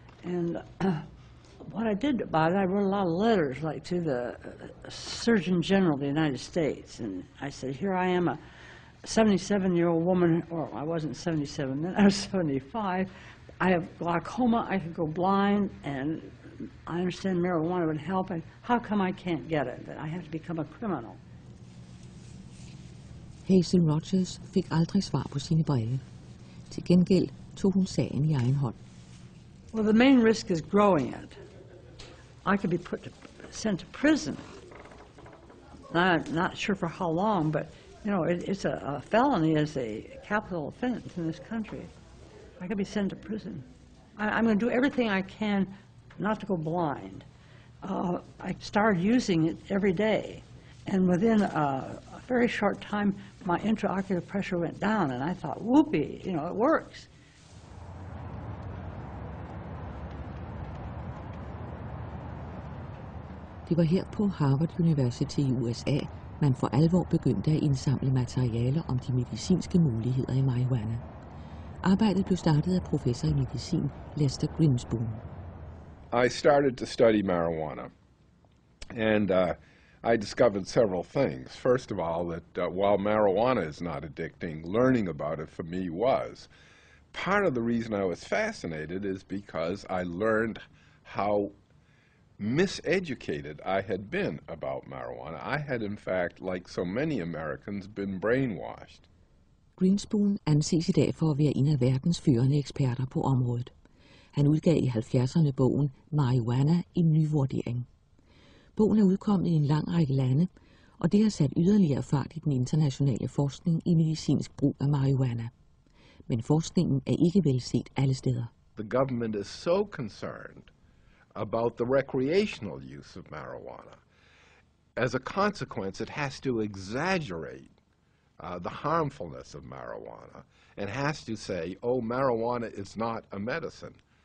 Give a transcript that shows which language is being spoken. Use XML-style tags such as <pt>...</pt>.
<en>And what I did about it, I wrote a lot of letters, like to the Surgeon General of the United States, and I said, here I am, a 77-year-old woman, or I wasn't 77 then, I was 75. I have glaucoma, I could go blind, and I understand marijuana would help, and how come I can't get it, that I have to become a criminal?</en> <da>Hazel Rogers fik aldrig svar på sine breve. Til gengæld tog hun sagen i egen hånd.</da> <en>Well, the main risk is growing it. I could be put to, sent to prison. I'm not sure for how long, but you know, it's a felony as a capital offense in this country. I could be sent to prison. I'm going to do everything I can not to go blind. I started using it every day, and within a very short time, my intraocular pressure went down, and I thought, whoopee, you know, it works.</en> <da>Det var her på Harvard University i USA, man for alvor begyndte at indsamle materiale om de medicinske muligheder i marihuana. Arbejdet blev startet af professor i medicin Lester Greenspoon.</da> <en>I started to study marijuana, and I discovered several things. First of all, that while marijuana is not addicting, learning about it for me was. Part of the reason I was fascinated is because I learned how miseducated I had been about marijuana. I had, in fact, like so many Americans, been brainwashed.</en> <da>Greenspoon anses i dag for at være en af verdens førende eksperter på området. Han udgav i 70'erne bogen Marijuana, en nyvurdering. Bogen er udkommet i en lang række lande, og det har sat yderligere fart i den internationale forskning i medicinsk brug af marijuana. Men forskningen er ikke velset alle steder.</da> <en>The government is so concerned about the recreational use of marijuana. As a consequence, it has to exaggerate the harmfulness of marijuana and has to say, oh, marijuana is not a medicine.</en>